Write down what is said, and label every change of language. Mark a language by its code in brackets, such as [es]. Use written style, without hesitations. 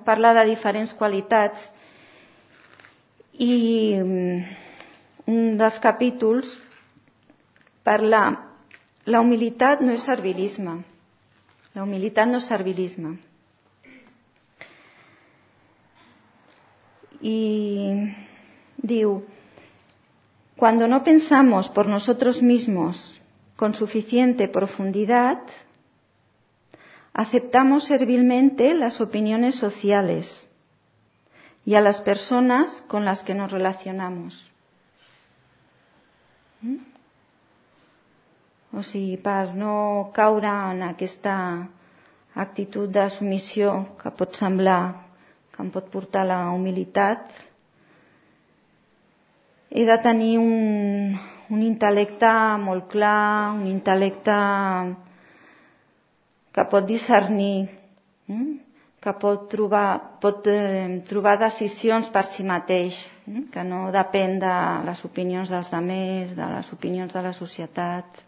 [ca] Parla de diferents qualitats i un dels capítols parla: la humilitat no és servilisme. La humilitat no és servilisme. I diu: [es] cuando no pensamos por nosotros mismos con suficiente profundidad, aceptamos servilmente las opiniones sociales y a las personas con las que nos relacionamos. [ca] O sigui, per no caure en aquesta actitud de submissió que pot semblar que em pot portar la humilitat, he de tenir un intel·lecte molt clar, un intel·lecte que pot discernir, que pot trobar decisions per si mateix, que no depèn de les opinions dels altres, de les opinions de la societat.